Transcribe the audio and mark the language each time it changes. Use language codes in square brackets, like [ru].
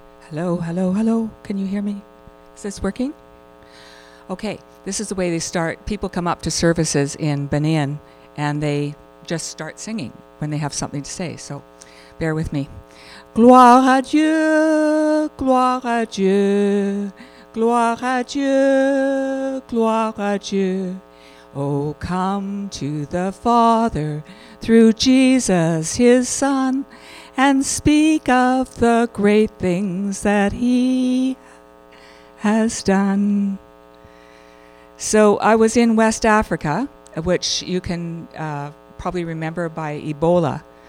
[en] Hello, hello, hello. Can you hear me? Is this working? Okay, this is the way they start. People come up to services in Benin and they just start singing when they have something to say. So bear with me. [fr] Gloire à Dieu, gloire à Dieu, gloire à Dieu, gloire à Dieu. [en] Oh, come to the Father through Jesus, his Son. And speak of the great things that he has done. So I was in West Africa, which you can probably remember by Ebola.